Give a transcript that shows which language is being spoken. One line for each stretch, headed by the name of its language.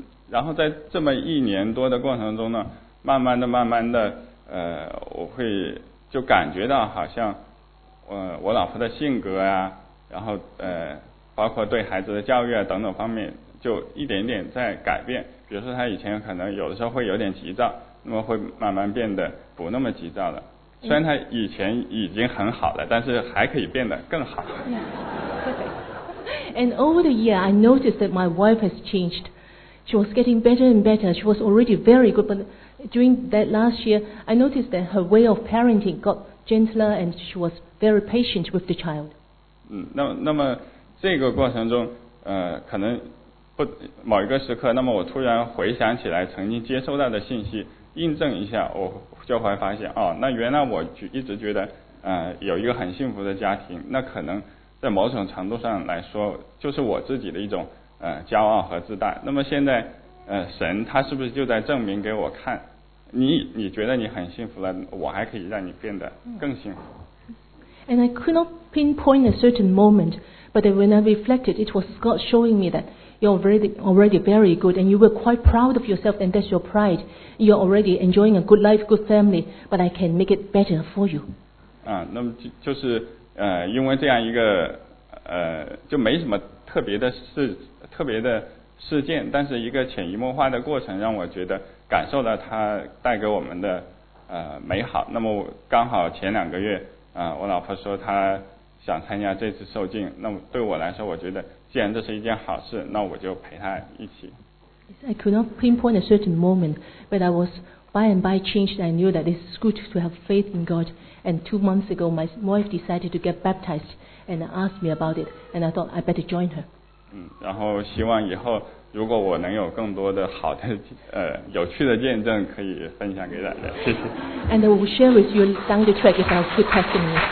Chinese: 然后在这么一年多的过程中呢，慢慢的我会就感觉到好像我老婆的性格啊，然后包括对孩子的教育啊等等方面，就一点点在改变，比如说他以前可能有的时候会有点急躁，那么会慢慢变得不那么急躁了。虽然他以前已经很好了，但是还可以变得更好。
English: And over the year, I noticed that my wife has changed. She was getting better and better. She was already very good, but during that last year, I noticed that her way of parenting got gentler and she was very patient with the child.
Chinese: 那么这个过程中，可能不某一个时刻，那么我突然回想起来曾经接收到的信息，印证一下，我就会发现，哦，那原来我一直觉得，有一个很幸福的家庭，那可能在某种程度上来说，就是我自己的一种骄傲和自大。那么现在，神他是不是就在证明给我看，你觉得你很幸福了，我还可以让你变得更幸福。
English: And I could not pinpoint a certain moment, but when I reflected, it was God showing me that you're already very good, and you were quite proud of yourself, and that's your pride. You're already enjoying a good life, good family, but I can make it better for you.
Chinese: 那么就是因为这样一个就没什么特别的事件，但是一个潜移默化的过程，让我觉得感受到它带给我们的美好。那么刚好前两个月，我老婆说她想参加这次受浸，那么对我来说，我觉得既然这是一件好事，那我就陪她一起。
English: I could not pinpoint a certain moment, but I was by and by changed. I knew that it's good to have faith in God. And 2 months ago, my wife decided to get baptized and asked me about it. And I thought I better join her.
Chinese: 然后希望以后如果我能有更多的好的有趣的见证可以分享给大家，谢谢。
English: And I will share with you down the track if I have good testimony.